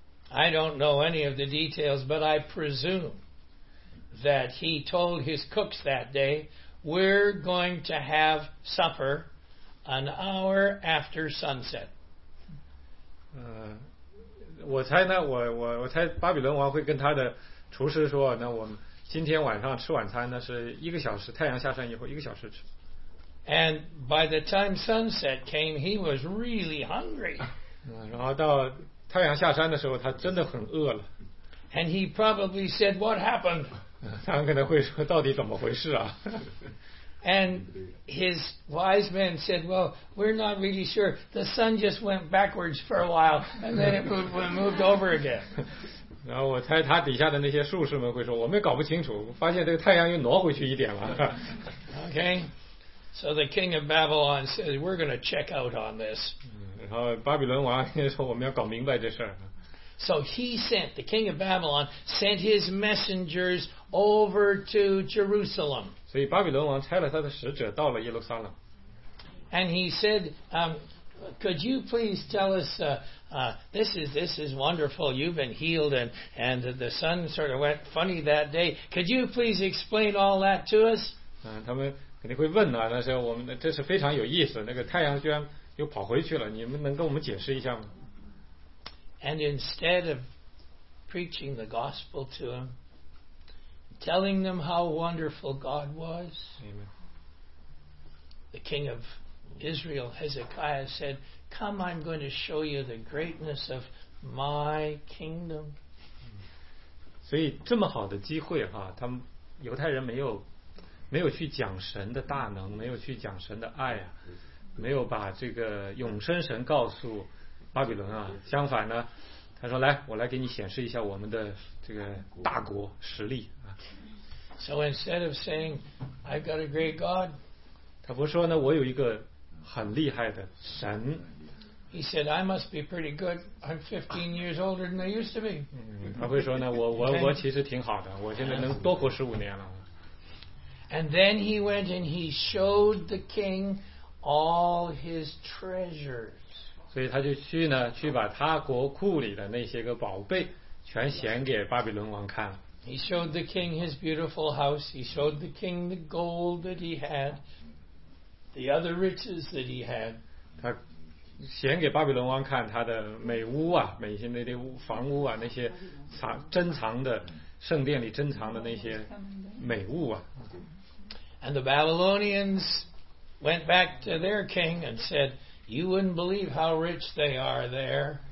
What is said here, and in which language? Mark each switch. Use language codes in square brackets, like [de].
[en] I don't know any of the details, but I presume that he told his cooks that day, "We're going to have supper an hour after sunset." [zh] 我猜呢，我猜巴比伦王会跟他的厨师说，那我们今天晚上吃晚餐呢，是一个小时太阳下山以后一个小时吃。 [en] And by the time sunset came, he was really hungry. [zh] 然后到太阳下山的时候，他真的很饿了。 [en] And he probably said, "What happened?" [zh] 他可能会说，到底怎么回事啊？ [en] And his wise men said, "Well, we're not really sure. The sun just went backwards for a while, and then it moved over again." [zh] 然后我猜他底下的那些术士们会说，我们搞不清楚，发现这个太阳又挪回去一点了。 [en] Okay, so the king of Babylon said, "We're going to check out on this." [zh] 然后巴比伦王说，我们要搞明白这事儿。 [en] So he sent, the king of Babylon sent his messengers over to Jerusalem. [zh] 所以巴比伦王差了他的使者到了耶路撒冷。 [en] And he said, "Could you please tell us, this is wonderful, you've been healed and the sun sort of went funny that day. Could you please explain all that to us?" [zh] 他们肯定会问啊，那时候我们这是非常有意思，那个太阳居然又跑回去了，你们能跟我们解释一下吗？ [en] And instead of preaching the gospel to them, telling them how wonderful God was, the king of Israel, Hezekiah, said, come, I'm going to show you the greatness of my kingdom. [zh] 所以这么好的机会哈，他们犹太人没有去讲神的大能，没有去讲神的爱啊，没有把这个永生神告诉巴比伦啊，相反呢，他说来，我来给你显示一下我们的这个大国实力啊。 [en] So instead of saying, I've got a great God, [zh] 他不说呢，我有一个很厉害的神。 [en] He said, I must be pretty good. I'm 15 years older than I used to be. [zh] 他会说呢，我其实挺好的，我现在能多活15年了。 [en] And then he went and he showed the king all his treasures. [zh] 所以他就去呢，去把他国库里的那些个宝贝全显给巴比伦王看。 [en] He showed the king his beautiful house. He showed the king the gold that he had, the other riches that he had. [zh] 他显给巴比伦王看他的美屋啊，每些那些房屋啊，那些珍藏的圣殿里珍藏的那些美物啊。 [en] And the Babylonians went back to their king and said, "You wouldn't believe how rich they are there."